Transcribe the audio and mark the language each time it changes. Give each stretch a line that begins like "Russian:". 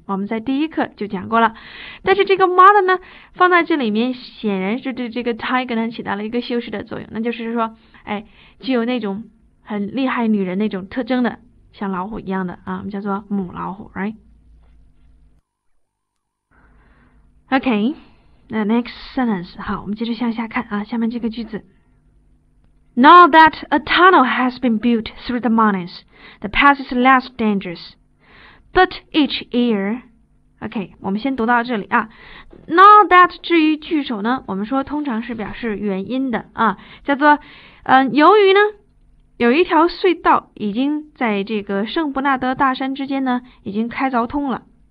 Chinese: 我们在第一课就讲过了。但是这个 mother 呢，放在这里面，显然是对这个 tiger 呢起到了一个修饰的作用。那就是说，具有那种很厉害女人那种特征的，像老虎一样的啊，我们叫做母老虎 ，right？OK。
English: The next sentence,
Chinese: 好，我们接着向下看啊，下面这个句子。
English: Now that a tunnel has been built through the mountains, the path is less dangerous. But each year,
Chinese: OK, 我们先读到这里啊。 Now that 至于句首呢，我们说通常是表示原因的啊，叫做由于呢有一条隧道已经在这个圣伯纳德大山之间呢已经开凿通了。